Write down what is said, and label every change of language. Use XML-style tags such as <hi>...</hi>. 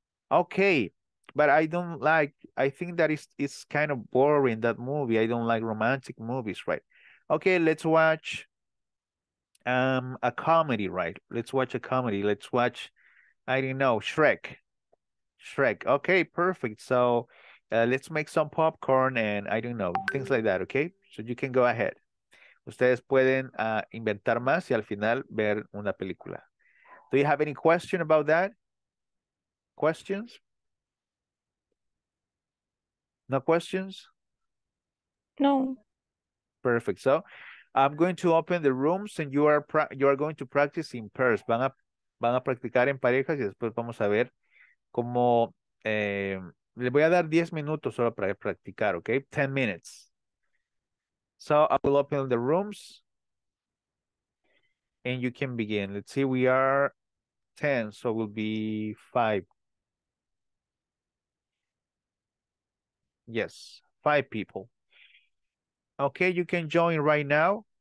<en>Okay, but I think that it's kind of boring, that movie. I don't like romantic movies, right? Okay, let's watch a comedy, right? Let's watch a comedy. Let's watch, I don't know, Shrek. Okay, perfect. So let's make some popcorn and I don't know, things like that, okay? So you can go ahead.</en> <es>Ustedes pueden inventar más y al final ver una película.</es> <en>Do you have any question about that? Questions? No questions? No. Perfect. So I'm going to open the rooms and you are going to practice in pairs.</en> <es>Van a practicar en parejas y después vamos a ver cómo... Les voy a dar 10 minutos solo para practicar, ¿ok?</es> <en>10 minutes. So I will open the rooms and you can begin. Let's see, we are 10, so we'll be 5. Yes, 5 people. Okay, you can join right now.</en>